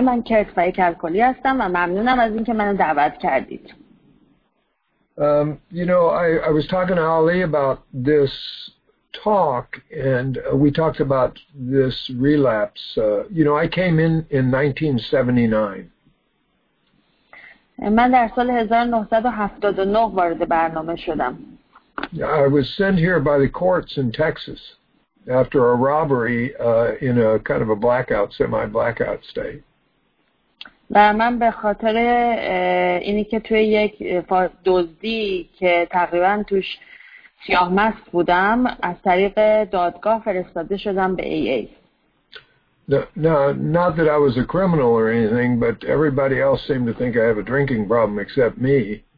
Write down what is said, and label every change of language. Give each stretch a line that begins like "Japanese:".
Persian: من کرت و یک الکلی هستم و ممنونم از اینکه منو دعوت کردید.
English: I was talking to Ali about this talk, and we talked about this relapse. I came in 1979.
Persian: من در سال 1979 وارد برنامه شدم.
English: I was sent here by the courts in Texas after a robbery in a kind of a blackout, semi-blackout state.
Persian: و من به خاطر اینی که توی یک دزدی که تقریبا توش سیاه مست بودم از طریق دادگاه فرستاده شدم به AA.
English: Not that I was a criminal or anything, but everybody else seemed to think I have a drinking problem except me.